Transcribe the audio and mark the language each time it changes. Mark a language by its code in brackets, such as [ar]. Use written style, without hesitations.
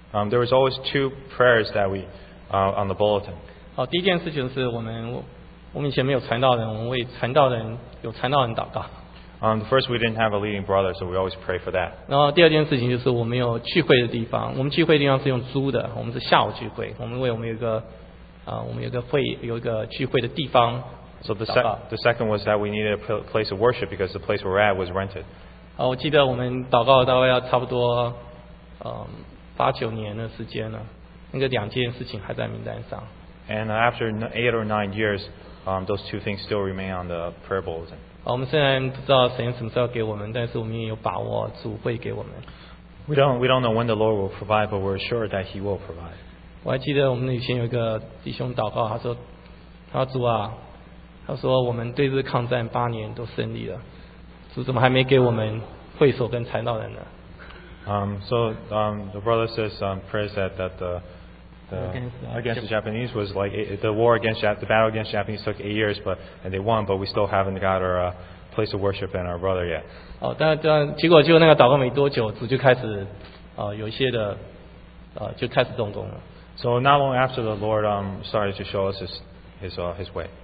[en] There was always two prayers that we on the bulletin. [zh] 好，第一件事情是我们以前没有传道人，我们为传道人有传道人祷告。 [en] First, we didn't have a leading brother, so we always pray for that. [zh] 然后第二件事情就是我们有聚会的地方，我们聚会的地方是用租的，我们是下午聚会，我们为我们有一个我们有一个会有一个聚会的地方。 [en] So the second was that we needed a place of worship because the place we're at was rented. [zh] 好，我记得我们祷告大概要差不多八九年的时间了，那个两件事情还在名单上。 [en] And after 8 or 9 years, those two things still remain on the prayer bulletin. [zh] 我们虽然不知道神什么时候给我们，但是我们也有把握主会给我们。 [en] We don't know when the Lord will provide, but we're sure that He will provide. [zh] 我还记得我们以前有一个弟兄祷告，他说主啊，他说我们对日抗战八年都胜利了，主怎么还没给我们会所跟传道人呢？ [en] The brother says prayer said that against the Japanese was like the war against the battle against Japanese took 8 years, but and they won, but we still haven't got our place of worship and our brother yet. [zh] 哦，但结果就那个祷告没多久，主就开始有一些的就开始动工了。 [en] So not long after the Lord started to show us his way.